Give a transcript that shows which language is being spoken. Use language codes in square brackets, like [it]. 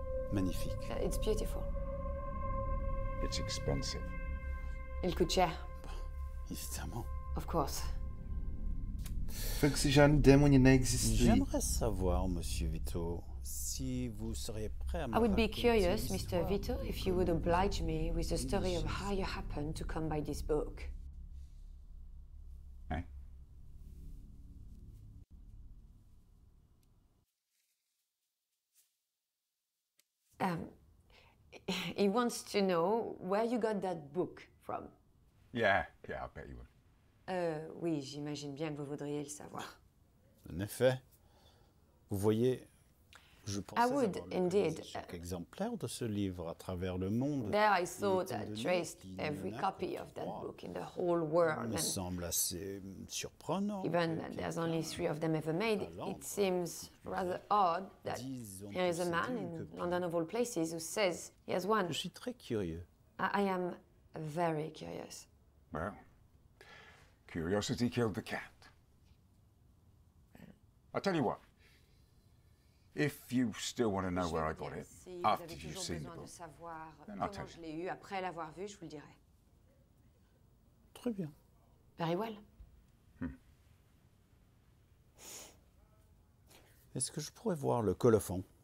[fr] Magnifique. [en] It's beautiful. It's expensive. [fr] Il coûte cher. Évidemment. [en] Of course. [fr] Fait que si j'ai un démon, il n'existe plus. J'aimerais savoir, Monsieur Vito, si vous seriez prêt à me [en] I would be curious, Mr. Vito, if you would oblige me with the story of how you happened to come by this book. [fr] Hein? [en] He wants to know where you got that book from. Yeah, I bet you would. [fr] Oui, j'imagine bien que vous voudriez le savoir. En effet. Vous voyez, je pensais [en] I would, [fr] avoir [en] indeed. [fr] Chaque exemplaire de ce livre à travers le monde. [en] There I thought I traced every copy of that book in the whole world. [fr] Ça me semble assez surprenant. [en] Even that there's only three of them ever made, it seems rather odd that there is a man in London of all places who says he has one. [fr] Je suis très curieux. [en] I am very curious. Well, curiosity killed the cat. I tell you what. If you still want to know where I got it, after you've seen the book, then I'll tell you. [fr] Je l'ai eu après l'avoir vu, je vous le dirai. Très bien. [en] Very well. [fr] Est-ce que je pourrais voir le colophon?